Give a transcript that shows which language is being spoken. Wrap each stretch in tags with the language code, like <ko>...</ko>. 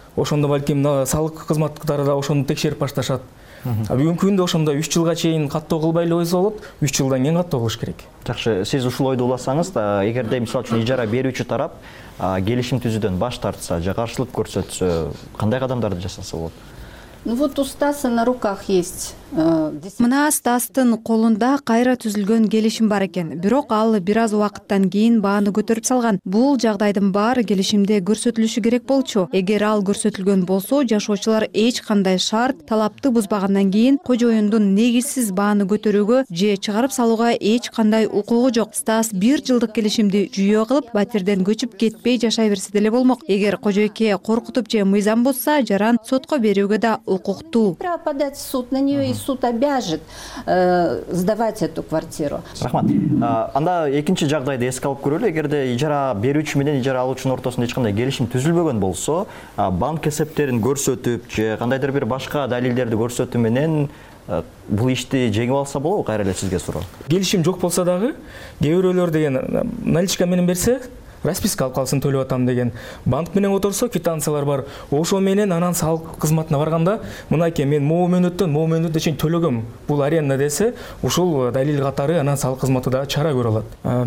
<ky>Ошондо балким салык кызматтары да ошону текшерип башташат. Бүгүнкү күндө ошондой 3 жылга чейин каттоо кылбай эле койсо болот, 3 жылдан кийин каттоо кылыш керек. Жакшы, сиз ушул ойду уласаңыз да, эгерде мисалы үчүн ижара берүүчү тарап келишим түзүүдөн баш тартса же каршылык көрсөтсө, кандай кадамдарды жасаса болот?</ky> <ru>Вот у Стаса на руках есть.</ru> <ky>Мына Стастын колунда кайра түзүлгөн келишим бар экен, бирок ал бир аз убакыттан кийин бааны көтөрүп салган. Бул жагдайдын баары келишимде көрсөтүлүшү керек болчу. Эгер ал көрсөтүлгөн болсо, жашоочулар эч кандай шарт талапты бузбагандан кийин кожоюндун негизсиз бааны көтөрүүгө же чыгарып салууга эч кандай укугу жок. Стас бир жылдык келишимди жүйө кылып, батирден көчүп кетпей жашай берсе деле болмок. Эгер кожойке коркутуп же мыйзам бузса, жаран сотко берүүгө да укуктуу.</ky> <ru>Право подать в суд на нее, и суд обяжет сдавать эту квартиру.</ru> <ky>Рахмат. Анда экинчи жагдайды эске алып көрөлү. Эгерде ижара берүүчү менен ижара алуучунун ортосунда эч кандай келишим түзүлбөгөн болсо, банк эсептерин көрсөтүп же кандайдыр бир башка далилдерди көрсөтүү менен бул ишти жеңип алса болобу? Кайра эле сизге суроо. Келишим жок болсо дагы, кээ бирөөлөр деген наличка менен берсе, расписка алып калсын төлөп атам деген, банк менен которсо квитанциялар бар, ошо менен анан салык кызматына барганда мынакей мен могу мөөнөттөн могу мөөнөткө чейин төлөгөм бул аренда десе, ушул далил катары анан салык кызматы дагы чара көрө алат.</ky>